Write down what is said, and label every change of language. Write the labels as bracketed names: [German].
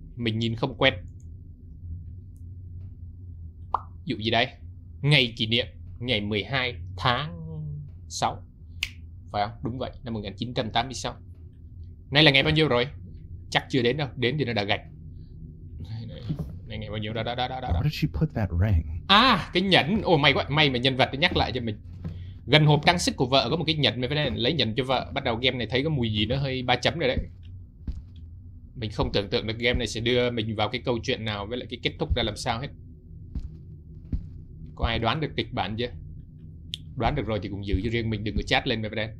[Vietnamese] Mình nhìn không quen. Dụ gì đây? Ngày kỷ niệm, ngày 12 tháng 6. Phải không? Đúng vậy, năm 1986. Nay là ngày bao nhiêu rồi? Chắc chưa đến đâu, đến thì nó đã gạch. [English] Where did she put that ring? [Vietnamese] À, cái nhẫn. Ôi may quá, may mà nhân vật nhắc lại cho mình. Gần hộp trang sức của vợ có một cái nhẫn, mình phải lấy nhẫn cho vợ. Bắt đầu game này thấy có mùi gì nó hơi ba chấm rồi đấy. Mình không tưởng tượng được game này sẽ đưa mình vào cái câu chuyện nào với lại cái kết thúc ra làm sao hết. Có ai đoán được kịch bản chưa? Đoán được rồi thì cũng giữ cho riêng mình, đừng có chat lên mình phải đây.